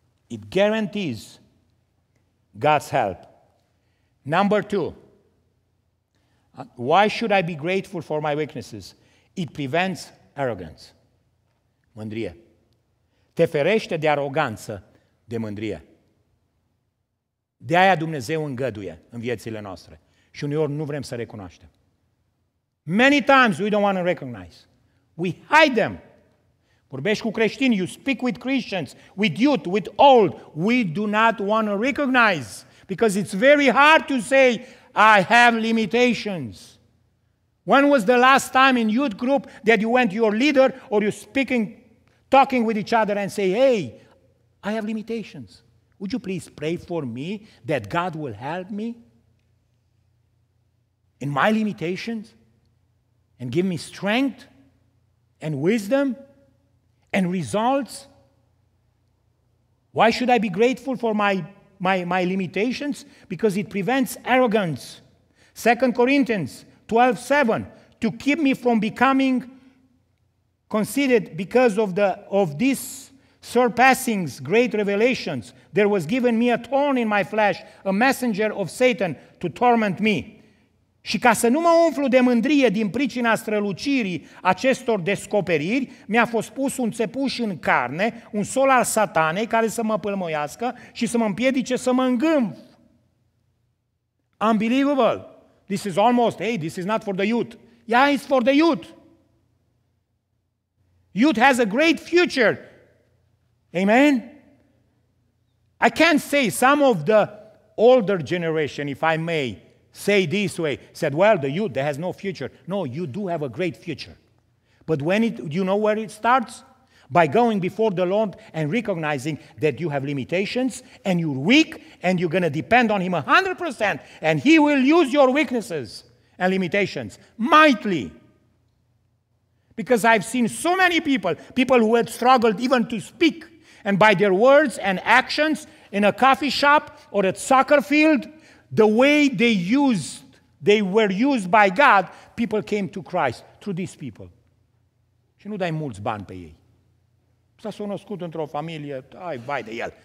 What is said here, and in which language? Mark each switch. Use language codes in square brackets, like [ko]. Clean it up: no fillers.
[en] It guarantees God's help. Number two, why should I be grateful for my weaknesses? It prevents arrogance. Mândrie. [ro] Te ferește de aroganță, de mândrie. De-aia Dumnezeu îngăduie în viețile noastre. Și uneori nu vrem să recunoaștem. [en] Many times we don't want to recognize. We hide them. [ro] Vorbești cu creștini, [en] you speak with Christians, with youth, with old. We do not want to recognize. Because it's very hard to say, I have limitations. When was the last time in youth group that you went to your leader or you speaking, talking with each other and say, hey, I have limitations. Would you please pray for me that God will help me in my limitations and give me strength and wisdom and results? Why should I be grateful for my limitations? Because it prevents arrogance. 2 Corinthians 12:7, to keep me from becoming conceited because of this surpassing great revelations, there was given me a thorn in my flesh, a messenger of Satan to torment me. Și ca să nu mă umflu de mândrie din pricina strălucirii acestor descoperiri, mi-a fost pus un țepuș în carne, un sol al satanei care să mă pâlmăiască și să mă împiedice să mă îngâmf. Unbelievable. This is almost, hey, this is not for the youth. Yeah, it's for the youth. Youth has a great future. Amen? I can't say some of the older generation, if I may, say this way, said, well, the youth, they has no future. No, you do have a great future. But when it, you know where it starts? By going before the Lord and recognizing that you have limitations and you're weak and you're going to depend on Him 100% and He will use your weaknesses and limitations mightily. Because I've seen so many people who had struggled even to speak, and by their words and actions in a coffee shop or at soccer field, the way they were used by God, people came to Christ through these people. [ro] Și nu dai mulți bani pe ei. S-a născut într-o familie, ai vai de el.